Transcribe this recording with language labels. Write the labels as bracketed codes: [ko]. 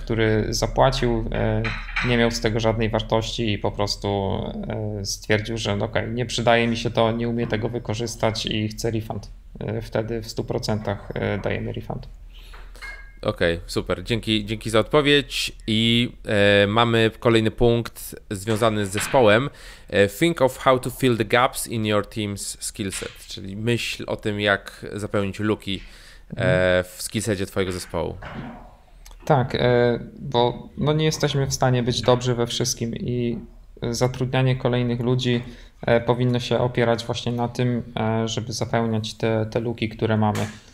[pl] który zapłacił, nie miał z tego żadnej wartości i po prostu stwierdził, że no okej, nie przydaje mi się to, nie umie tego wykorzystać i chce refund. Wtedy w 100% dajemy refund. Okej, okay, super. Dzięki za odpowiedź. I mamy kolejny punkt związany z zespołem. [en] Think of how to fill the gaps in your team's skillset. [pl] Czyli myśl o tym, jak zapełnić luki w skillsetzie twojego zespołu. Tak, bo no nie jesteśmy w stanie być dobrzy we wszystkim i zatrudnianie kolejnych ludzi powinno się opierać właśnie na tym, żeby zapełniać te luki, które mamy.